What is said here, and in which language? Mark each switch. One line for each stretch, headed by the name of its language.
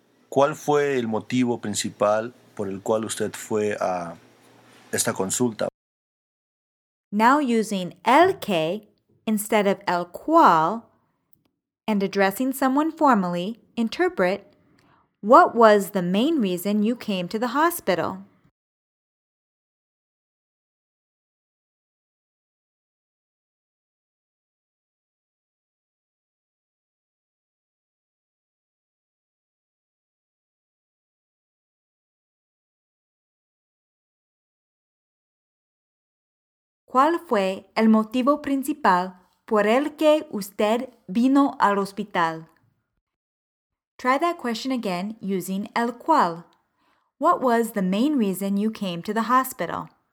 Spanish: ¿Cuál fue el motivo principal por el cual usted fue a esta consulta?
English: Now using el que instead of el cual and addressing someone formally, interpret, what was the main reason you came to the hospital?
Spanish: ¿Cuál fue el motivo principal por el que usted vino al hospital?
English: Try that question again using el cual. What was the main reason you came to the hospital?